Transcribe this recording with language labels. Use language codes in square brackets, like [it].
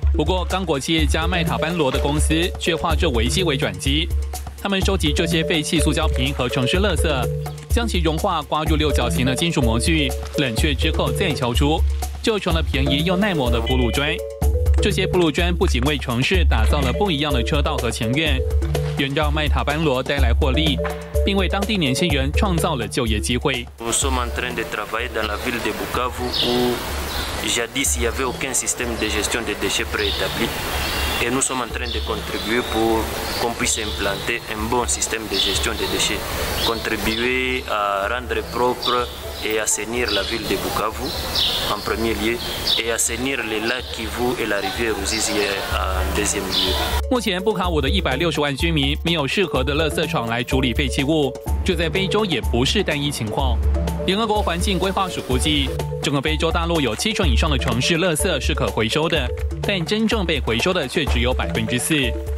[zh] 不过刚果企业家麦塔班罗的公司却化这危机为转机，他们收集这些废弃塑胶瓶和城市垃圾，将其融化刮入六角形的金属模具，冷却之后再敲出，就成了便宜又耐磨的铺路砖。这些铺路砖不仅为城市打造了不一样的车道和前院，也让麦塔班罗带来获利，并为当地年轻人创造了就业机会。 [fr] Nous sommes en train de travailler dans la ville de Bukavu où jadis il n'y avait aucun système de gestion des déchets préétabli, et nous sommes en train de contribuer pour qu'on puisse implanter un bon système de gestion des déchets, contribuer à rendre propre et assainir la ville de Bukavu en premier lieu, et assainir les lacs Kivu et la rivière Ruzizi en deuxième lieu. [zh] 目前，布卡武的160万居民没有适合的垃圾场来处理废弃物，这在非洲也不是单一情况。联合国环境规划署估计，整个非洲大陆有70%以上的城市垃圾是可回收的，但真正被回收的却只有4%。